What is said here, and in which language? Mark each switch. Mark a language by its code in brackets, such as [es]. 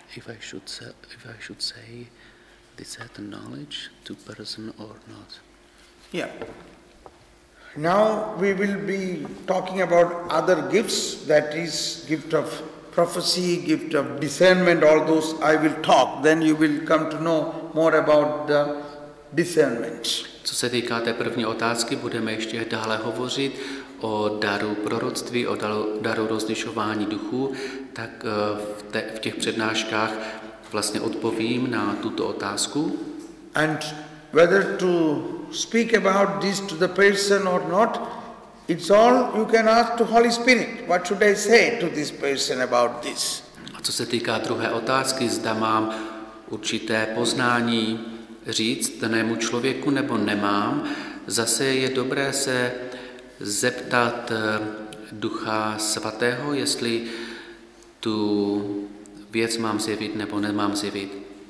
[en] If I should say this certain knowledge to person or not. Yeah. Now we will be talking about other gifts, that is gift of prophecy, gift of discernment, all those I will talk, then you will come to know more about the discernment. [cs] Co se týká té první otázky, budeme ještě dále hovořit o daru proroctví, o daru rozlišování duchů, tak v těch přednáškách vlastně odpovím na tuto otázku. [en] And whether to speak about this to the person or not, it's all you can ask to Holy Spirit. What should I say to this person about this? [cs] A co se týká druhé otázky, zda mám určité poznání říct danému člověku nebo nemám, zase je dobré se zeptat Ducha Svatého, jestli tu věc mám zjevit nebo nemám zjevit.